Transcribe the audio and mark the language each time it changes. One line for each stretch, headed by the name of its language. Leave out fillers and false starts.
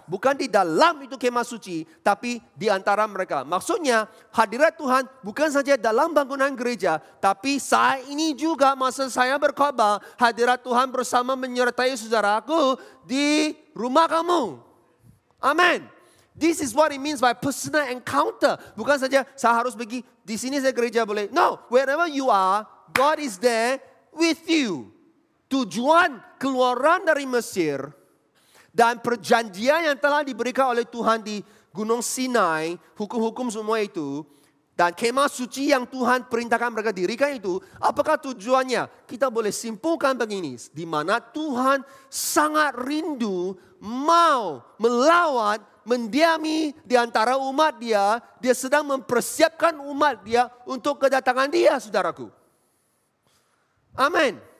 Malay: Bukan di dalam itu kemah suci, tapi di antara mereka. Maksudnya hadirat Tuhan bukan saja dalam bangunan gereja, tapi saat ini juga masa saya berkhotbah, hadirat Tuhan bersama menyertai saudaraku di rumah kamu. Amin.
English: This is what it means by personal encounter.
Malay: Bukan saja saya harus pergi di sini saya gereja boleh.
English: No, wherever you are, God is there with you.
Malay: Tujuan keluaran dari Mesir dan perjanjian yang telah diberikan oleh Tuhan di Gunung Sinai, hukum-hukum semua itu, dan kemah suci yang Tuhan perintahkan mereka dirikan itu, apakah tujuannya? Kita boleh simpulkan begini, di mana Tuhan sangat rindu, mau melawat, mendiami di antara umat dia, dia sedang mempersiapkan umat dia untuk kedatangan dia, saudaraku. Amin.